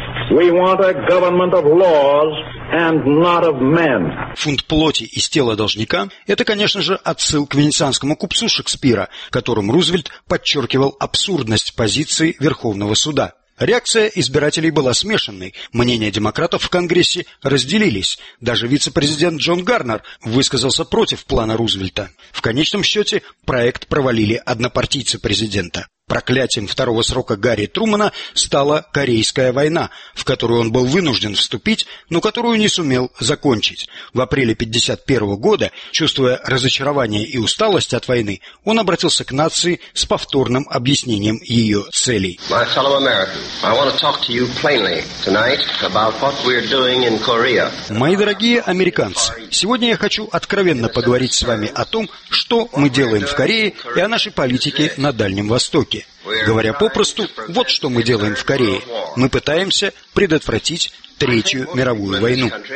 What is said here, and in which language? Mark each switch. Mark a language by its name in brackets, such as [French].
[English] We want a government of laws and not of men. [Russian] Фунт плоти из тела должника – это, конечно же, отсыл к венецианскому купцу Шекспира, которым Рузвельт подчеркивал абсурдность позиции Верховного суда. Реакция избирателей была смешанной. Мнения демократов в Конгрессе разделились. Даже вице-президент Джон Гарнер высказался против плана Рузвельта. В конечном счете проект провалили однопартийцы президента. Проклятием второго срока Гарри Трумана стала Корейская война, в которую он был вынужден вступить, но которую не сумел закончить. В апреле 1951 года, чувствуя разочарование и усталость от войны, он обратился к нации с повторным объяснением ее целей. [English] My fellow Americans, I want to talk to you plainly tonight about what we're doing in Korea. [Russian] Мои дорогие американцы, сегодня я хочу откровенно поговорить с вами о том, что мы делаем в Корее и о нашей политике на Дальнем Востоке. Говоря попросту, вот что мы делаем в Корее. Мы пытаемся предотвратить Третью мировую войну.